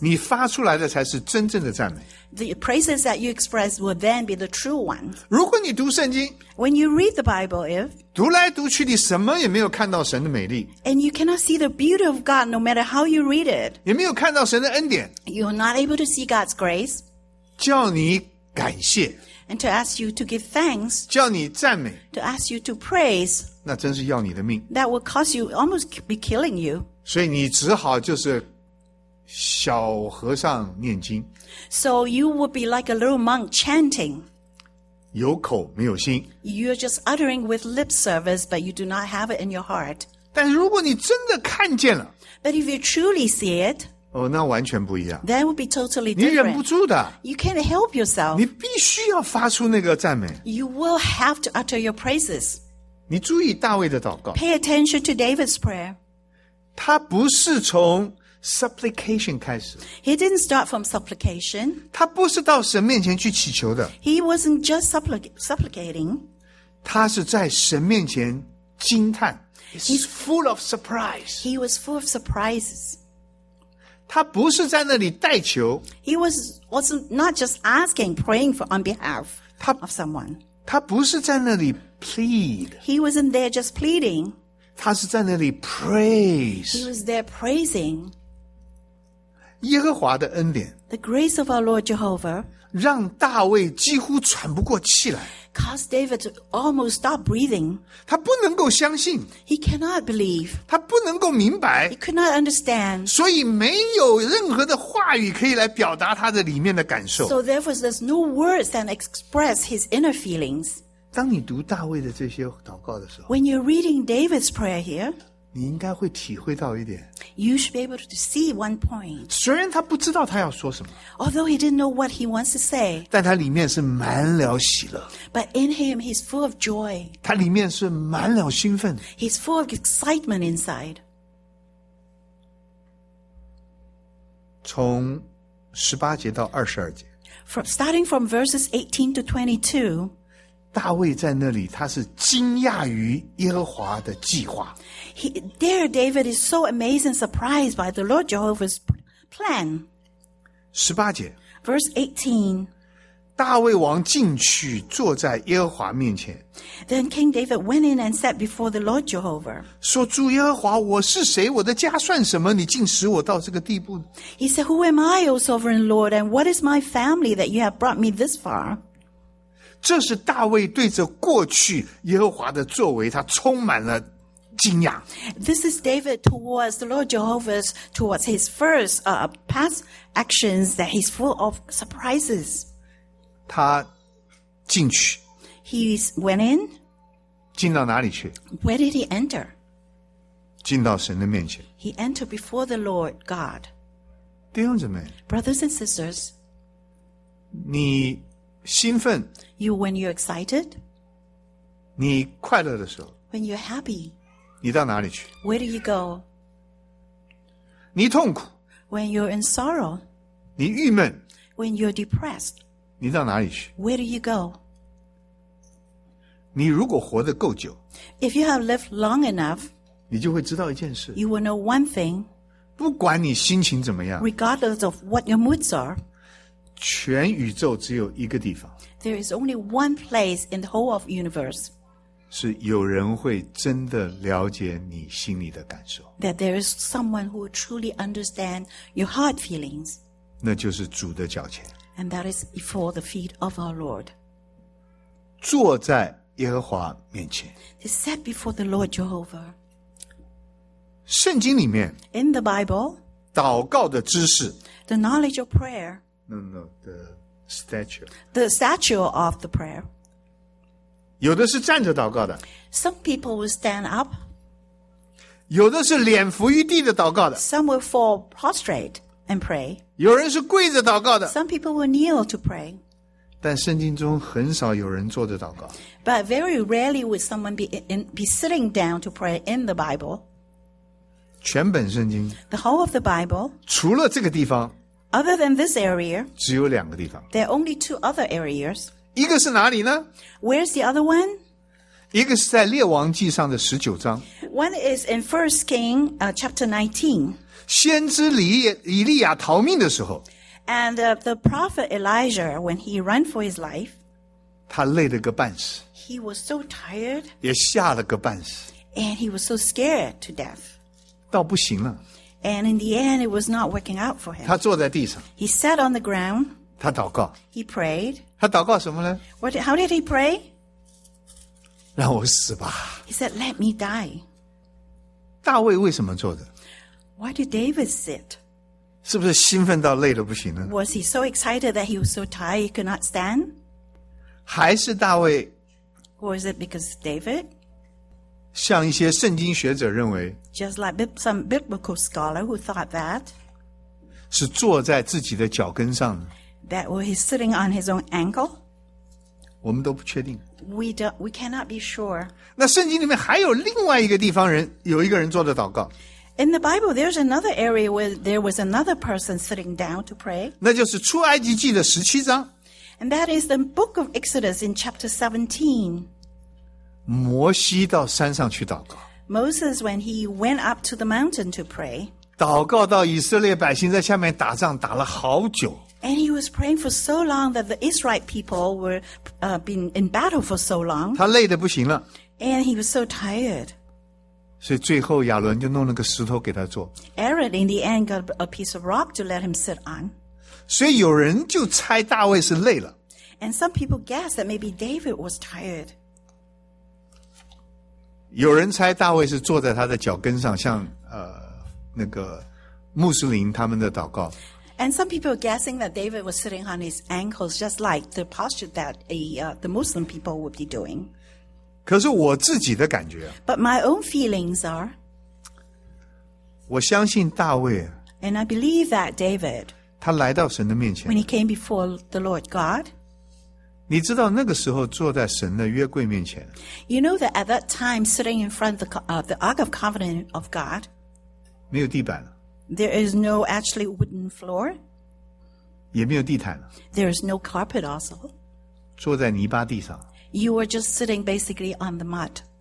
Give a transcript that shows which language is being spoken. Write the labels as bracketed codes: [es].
[zh] 你发出来的才是真正的赞美。 [en] The praises that you express will then be the true one. [zh] 如果你读圣经 [en] When you read the Bible, if [zh] 读来读去你什么也没有看到神的美丽 [en] And you cannot see the beauty of God no matter how you read it. [zh] 也没有看到神的恩典 [en] You are not able to see God's grace. [zh] 叫你感谢 [en] and to ask you to give thanks, [zh] 叫你赞美, [en] to ask you to praise, [zh] 那真是要你的命, [en] that will cause you, almost be killing you. [zh] 所以你只好就是小和尚念经。 [en] So you would be like a little monk chanting. [zh] 有口没有心。 [en] You're just uttering with lip service, but you do not have it in your heart. [zh] 但如果你真的看见了, [en] but if you truly see it, [zh] 哦、那完全不一样。 [en] That would be totally different. [zh] 你忍不住的。 [en] You can't help yourself. [zh] 你必须要发出那个赞美。 [en] You will have to utter your praises. [zh] 你注意大卫的祷告。 [en] Pay attention to David's prayer. [zh] 他不是从 supplication 开始。 [en] He didn't start from supplication. [zh] 他不是到神面前去祈求的。 [en] He wasn't just supplicating. [zh] 他是在神面前惊叹。 [en] He's full of surprise. He was full of surprises. [zh] 他不是在那里代求。 [en] He was not just asking, praying for on behalf of someone. [zh] 他不是在那里 plead. [en] He wasn't there just pleading. [zh] 他是在那里 praise. [en] He was there praising. [zh] 耶和华的恩典。 [en] The grace of our Lord Jehovah. [zh] 让大卫几乎喘不过气来。 [en] Caused David to almost stop breathing. [zh] 他不能够相信。 [en] He cannot believe. [zh] 他不能够明白。 [en] He could not understand. [zh] 所以没有任何的话语可以来表达他的里面的感受。 [en] So therefore, there's no words that express his inner feelings. [zh] 当你读大卫的这些祷告的时候， [en] When you're reading David's prayer here, [zh] 你应该会体会到一点。 [en] You should be able to see one point. [zh] 虽然他不知道他要说什么。 [en] Although he didn't know what he wants to say. [zh] 但他里面是满了喜乐。 [en] But in him, he's full of joy. [zh] 他里面是满了兴奋。 [en] He's full of excitement inside. [zh] 从十八节到二十二节。 [en] Starting from verses 18 to 22. [zh] 大卫在那里他是惊讶于耶和华的计划。 [en] There David is so amazed and surprised by the Lord Jehovah's plan. [zh] 十八节。 [en] Verse 18. [zh] 大卫王进去坐在耶和华面前。 [en] Then King David went in and sat before the Lord Jehovah. [zh] 说主耶和华我是谁我的家算什么你竟使我到这个地步。 [en] He said, Who am I, O sovereign Lord, and what is my family that you have brought me this far? [zh] 这是大卫对着过去耶和华的作为他充满了惊讶。 [en] This is David towards the Lord Jehovah's, towards his first, past actions that he's full of surprises. [zh] 他进去。 [en] He went in. [zh] 进到哪里去? [en] Where did he enter? [zh] 进到神的面前。 [en] He entered before the Lord God. [zh] 弟兄姊妹。 [en] Brothers and sisters. [zh] 你兴奋。 [en] You, when you're excited, [zh] 你快乐的时候, [en] when you're happy, [zh] 你到哪里去? [en] Where do you go? [zh] 你痛苦, [en] when you're in sorrow, [zh] 你郁闷, [en] when you're depressed, [zh] 你到哪里去? [en] Where do you go? [zh] 你如果活得够久, [en] if you have lived long enough, [zh] 你就会知道一件事, [en] you will know one thing, [zh] 不管你心情怎么样, [en] regardless of what your moods are, [zh] 全宇宙只有一个地方。 [en] There is only one place in the whole of universe. [zh] 是有人会真的了解你心里的感受。 [en] That there is someone who will truly understand your heart feelings. [zh] 那就是主的脚前。 [en] And that is before the feet of our Lord. [zh] 坐在耶和华面前。 [en] They sat before the Lord Jehovah. [zh] 圣经里面。 [en] In the Bible. [zh] 祷告的知识。 [en] The knowledge of prayer. No, the... Statue. The statue of the prayer. [zh] 有的是站着祷告的。 [en] Some people will stand up. [zh] 有的是脸伏于地的祷告的。 [en] Some will fall prostrate and pray. [zh] 有人是跪着祷告的。 [en] Some people will kneel to pray. [zh] 但圣经中很少有人坐着祷告。 [en] But very rarely would someone be sitting down to pray in the Bible. [zh] 全本圣经。 [en] The whole of the Bible. [zh] 除了这个地方。 [en] Other than this area, [zh] 只有两个地方。 [en] There are only two other areas. [zh] 一个是哪里呢? [en] Where's the other one? [zh] 一个是在列王记上的十九章。 [en] One is in 1 Kings, chapter 19. [zh] 先知以利亚逃命的时候。 [en] And the prophet Elijah, when he ran for his life, [zh] 他累了个半死。 [en] He was so tired. [zh] 也吓了个半死。 [en] And he was so scared to death. [zh] 倒不行了。 [en] And in the end, it was not working out for him. [zh] 他坐在地上。 [en] He sat on the ground. [zh] 他祷告。 [en] He prayed. [zh] 他祷告什么呢 [en] What, How did he pray? [zh] 让我死吧。 [en] He said, let me die. [zh] 大卫为什么做的 [en] Why did David sit? [zh] 是不是兴奋到累得不行呢 [en] Was he so excited that he was so tired he could not stand? [zh] 还是大卫 [en] Was it because David? [zh] 像一些圣经学者认为 [en] Just like some biblical scholar who thought that [zh] 是坐在自己的脚跟上 [en] That he's sitting on his own ankle [zh] 我们都不确定 [en] We cannot be sure [zh] 那圣经里面还有另外一个地方人有一个人坐着祷告 [en] In the Bible there's another area where there was another person sitting down to pray [zh] 那就是出埃及记的十七章 [en] And that is the book of Exodus in chapter 17 [zh] 摩西到山上去祷告。 [en] Moses, when he went up to the mountain to pray, [zh] 祷告到以色列百姓在下面打仗打了好久。 [en] And he was praying for so long that the Israelite people were been in battle for so long. [zh] 他累得不行了。 [en] And he was so tired. [zh] 所以最后亚伦就弄了个石头给他坐。 [en] Aaron, in the end, got a piece of rock to let him sit on. [zh] 所以有人就猜大卫是累了。 [en] And some people guessed that maybe David was tired. [zh] 有人猜大卫是坐在他的脚跟上像那个穆斯林他们的祷告。 [en] And some people are guessing that David was sitting on his ankles just like the posture that the Muslim people would be doing. [zh] 可是我自己的感觉。 [en] But my own feelings are. [zh] 我相信大卫。 [en] And I believe that David. [zh] 他来到神的面前。 [en] When he came before the Lord God. [zh] 你知道那个时候坐在神的约柜面前 [en] You know that at that time sitting in front of the Ark of Covenant of God [zh] 没有地板了 [en] There is no actually wooden floor [zh] 也没有地毯了 [en] There is no carpet also [zh] 坐在泥巴地上 [en] You were just sitting basically on the mud